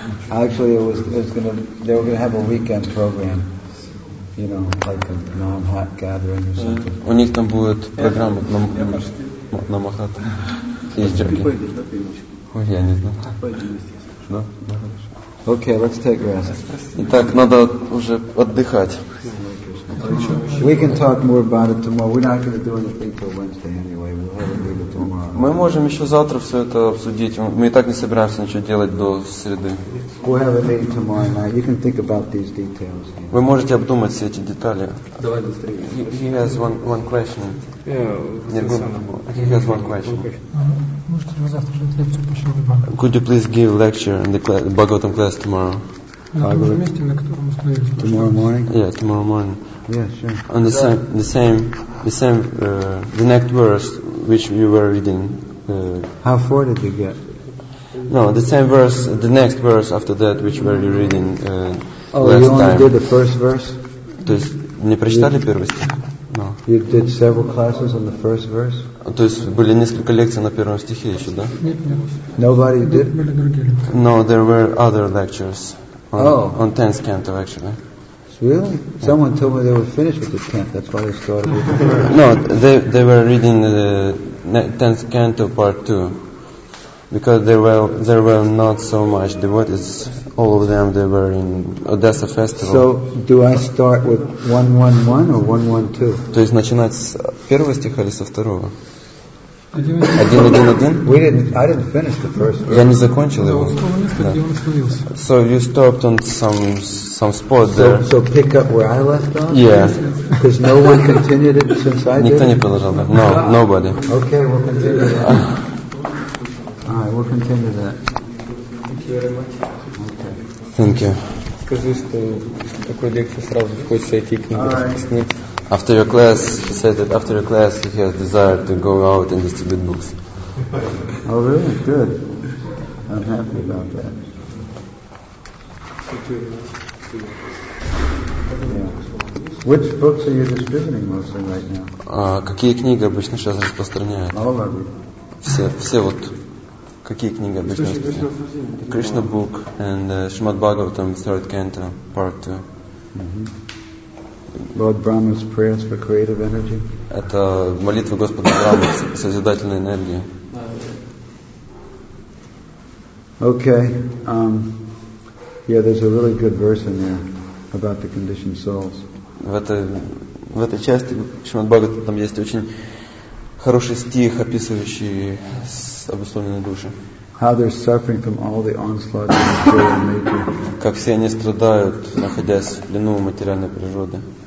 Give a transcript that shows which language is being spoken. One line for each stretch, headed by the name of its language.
English: Actually, they were going to have a weekend program. You know, like a Namahat gathering or something.
Russian: У них там будет программа Намахат. Есть джоги. Ой, я не знаю.
English: Okay, let's take rest.
Russian: Итак, надо уже отдыхать.
English: We can talk more about it tomorrow. We're not going to do anything till Wednesday anyway. We'll have a meeting tomorrow.
Russian: Мы можем еще завтра все это обсудить. Мы и так не собираемся ничего делать до среды.
English: We'll have a meeting tomorrow night. You can think about these details.
Russian: Вы можете обдумать все эти детали. Давай быстрее.
English: He has one question. Yeah, he has one question.
Russian: Можете ли вы завтра дать лекцию по Бхагаватам?
English: Could you please give lecture in the Bhagavatam class tomorrow? Tomorrow morning. Yeah, tomorrow morning. Yeah, sure. On the same, the next verse which you were reading. How far did you get? No, the same verse, the next verse after that which were you reading last time. Oh, you only did the first verse.
Russian: То есть не прочитали первый стих?
English: No. You did several classes on the first verse.
Russian: То есть были несколько лекций на первом стихе еще, да? Нет.
English: Nobody did. No, there were other lectures. On 10th canto, actually. Really? Yeah. Someone told me they were finished with the 10th. That's why they started with the first. No, they were reading the 10th canto part 2. Because there were not so much devotees. All of them, they were in Odessa festival. So, do I start with 111 or 112?
Russian: То есть начинать с первого стиха или со второго?
English: 1-1-1? I didn't finish the first verse.
Russian: Я не закончил его. Да.
English: So you stopped on some spot there. So pick up where I left off? Yeah. Because no one continued it since I did?
Russian: Никто не продолжал.
English: No, wow. Nobody. Okay, we'll continue that. Alright, we'll continue that. Thank you very much. Okay. Thank you.
Russian: Скажи, что такой лекции сразу хочется идти книгу распространить.
English: After your class, he said that after your class, he has desire to go out and distribute books. Oh, really? Good. I'm happy about that. Yeah. Which books are you distributing mostly right now?
Russian: Какие книги обычно сейчас распространяют?
English: All of them.
Russian: Все вот. Какие книги обычно распространяют?
English: Krishna book and Shrimad Bhagavatam, 3rd canto, part 2. Lord Brahma's prayers for creative energy.
Russian: Это молитва Господа Брахмы, созидательной энергии.
English: Okay. Yeah, there's a really good verse in there about the conditioned souls.
Russian: В этой части Шримад Бхагаватам там есть очень хороший стих, описывающий обусловленные души.
English: How they're suffering from all the onslaughts of material nature.
Russian: Как все они страдают, находясь в плену материальной природы.